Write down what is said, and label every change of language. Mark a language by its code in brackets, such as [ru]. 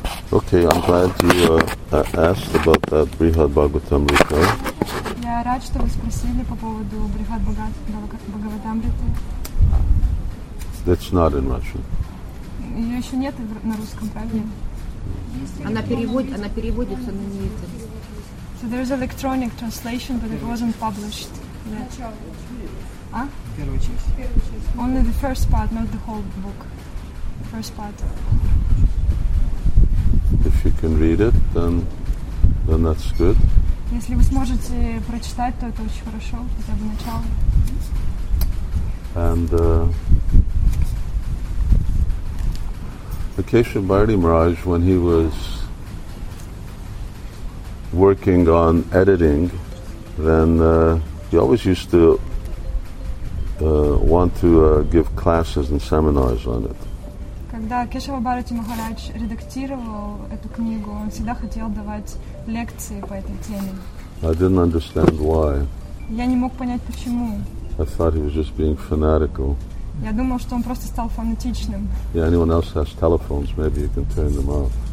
[en] Okay, I'm glad you asked about that Brihad Bhagavatamrita. [ru] Я рад, что вы спросили по поводу Брихад Бхагаватамриты. [en] That's not in Russian. [ru] Ее еще нет на русском, правильно? Она переводится на немецкий. [en] So there is electronic translation, but it wasn't published yet. [ru] Первая часть. [en] Only the first part, not the whole book. First part. If you can read it, then that's good. [ru] Если вы сможете прочитать, то это очень хорошо, хотя бы начало. [en] And Keshe Bharati Maharaj, when he was working on editing, then he always used to want to give classes and seminars on it. [ru] Когда Кешава Бхарати Махарадж редактировал эту книгу, он всегда хотел давать лекции по этой теме. [en] I didn't understand why. [ru] Я не мог понять, почему. [en] I thought he was just being fanatical. [ru] Я думал, что он просто стал фанатичным. [en] Yeah, anyone else has telephones, maybe you can turn them off.